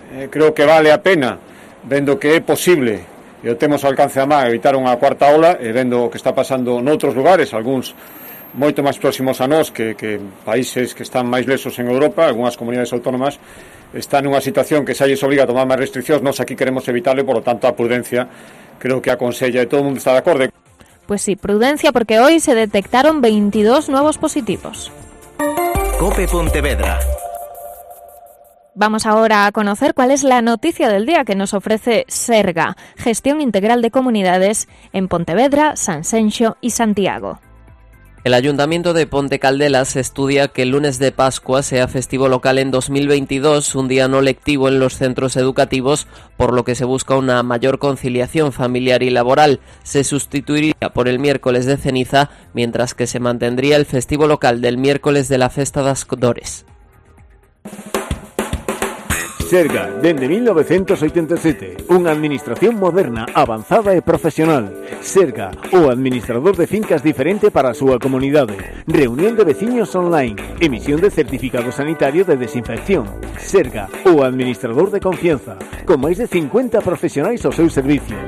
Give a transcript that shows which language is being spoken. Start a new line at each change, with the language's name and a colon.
Galician: Creo que vale a pena, vendo que é posible e o temos ao alcance da má, evitar unha cuarta ola, e vendo o que está pasando noutros lugares, algúns moito máis próximos a nós que países que están máis lesos en Europa, algunhas comunidades autónomas, están nunha situación que xa lles obliga a tomar máis restriccións. Nós aquí queremos evitarle,
Spanish: por lo tanto,
Galician: a prudencia creo que aconsella e todo o mundo está de acordo.
Spanish: Pues sí, prudencia, porque hoy se detectaron 22
Galician: novos positivos.
Spanish: COPE Pontevedra. Vamos ahora a conocer cuál es la noticia del día que nos ofrece SERGA, Gestión Integral de Comunidades, en Pontevedra, Sanxenxo y Santiago. El Ayuntamiento de Ponte Caldelas estudia que el lunes de Pascua sea festivo local en 2022, un día no lectivo en los centros educativos, por lo que se busca una mayor conciliación familiar y laboral. Se sustituiría por el miércoles de ceniza, mientras que se mantendría el festivo local del miércoles de la Festa das Dores.
Galician: SERGA, dende 1987, unha administración moderna, avanzada e profesional. SERGA, o administrador de fincas diferente para a súa comunidade. Reunión de veciños online, emisión de certificado sanitario de desinfección. SERGA, o administrador de confianza, con máis de 50 profesionais ao seu servicio.